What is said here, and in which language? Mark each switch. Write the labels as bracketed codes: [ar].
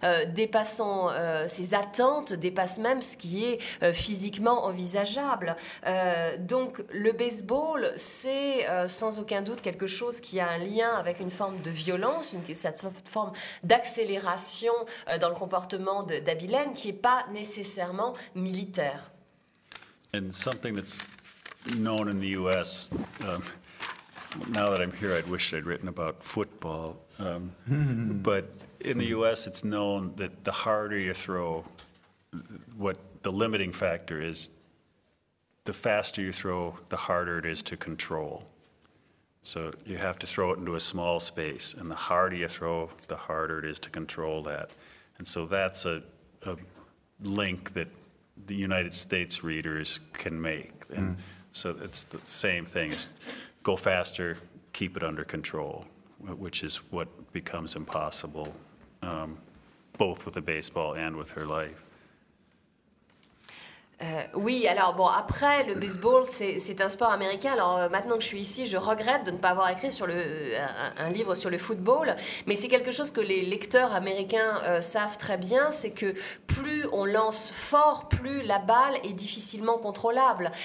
[fr] Dépassant ses attentes, dépasse même ce qui est physiquement envisageable. Donc le baseball, c'est sans aucun doute quelque chose qui a un lien avec une forme de violence, cette forme d'accélération dans le comportement d'Abilene qui n'est pas nécessairement militaire. [en] And something that's known in the US, now that I'm here, I'd wish I'd written about football, but in the U.S., it's known that the harder you throw, what the limiting factor is, the faster you throw, the harder it is to control. So you have to throw it into a small space, and the harder you throw, the harder it is to control that. And so that's a link that the United States readers can make. And so it's the same thing. It's go faster, keep it under control, which is what becomes impossible. Both with the baseball and with her life. [fr] Oui, alors bon, après, le baseball, c'est un sport américain. Alors maintenant que je suis ici, je regrette de ne pas avoir écrit sur un livre sur le football. Mais c'est quelque chose que les lecteurs américains savent très bien, c'est que plus on lance fort, plus la balle est difficilement contrôlable.